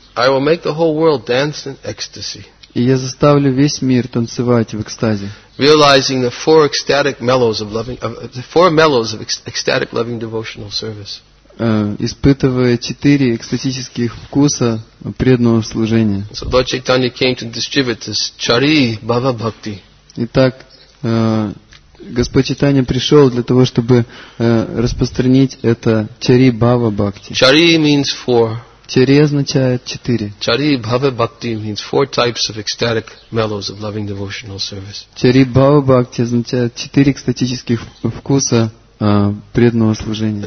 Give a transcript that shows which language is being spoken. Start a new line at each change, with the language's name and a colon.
English: I will make the whole world dance in ecstasy.
Russian: И я заставлю весь мир танцевать в экстазе.
English: Realizing the four ecstatic mellows of loving, the four mellows of ecstatic loving devotional service.
Russian: Испытывая четыре экстатических вкуса преданного служения.
English: So Lord Chaitanya came to distribute this chari bhava bhakti.
Russian: Итак, Господь Чайтанья пришел для того, чтобы распространить это Чари Бхава Бхакти. Чари means four. Чари означает четыре. Чари Бхава Бхакти means four types of ecstatic mellows of loving devotional service. Чари Бхава Бхакти означает четыре экстатических вкуса преданного служения.